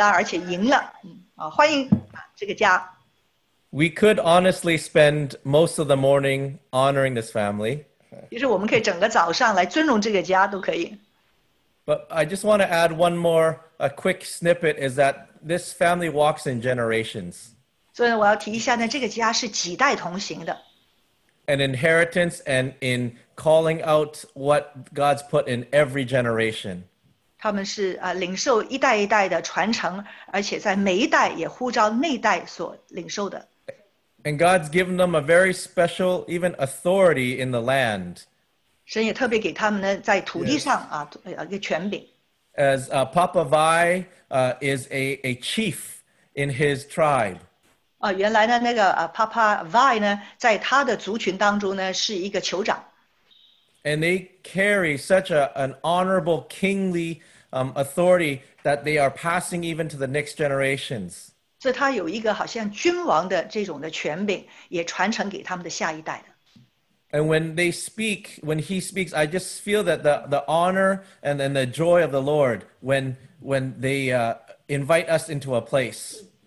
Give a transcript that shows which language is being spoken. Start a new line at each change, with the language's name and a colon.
Chinese: 所以呢，他们的儿子呢，后来是打那个足球代表加拿大，而且赢了。欢迎这个家。
English: We could honestly spend most of the morning honoring this family. But I just want to add one more, a quick snippet, is that this family walks in generations.
Chinese: 所以我要提一下呢，这个家是几代同行的。
English: An inheritance and in calling out what God's put in every generation.
Chinese: 他们是领受一代一代的传承，而且在每一代也呼召那代所领受的。
English: And God's given them a very special, even authority in the land.
Chinese: 神也特别给他们呢，在土地上啊，一个权柄。
English: As Papa Vai is a chief in his tribe.
Chinese: 原来呢，那个Papa Vai呢，在他的族群当中呢，是一个酋长。
English: And they carry such an honorable, kingly authority that they are passing even to the next generations.
Chinese: 所以他有一个好像君王的这种的权柄，也传承给他们的下一代的。
English: And when they speak, when he speaks, I just feel that the honor and the joy of the Lord when they invite us into a place.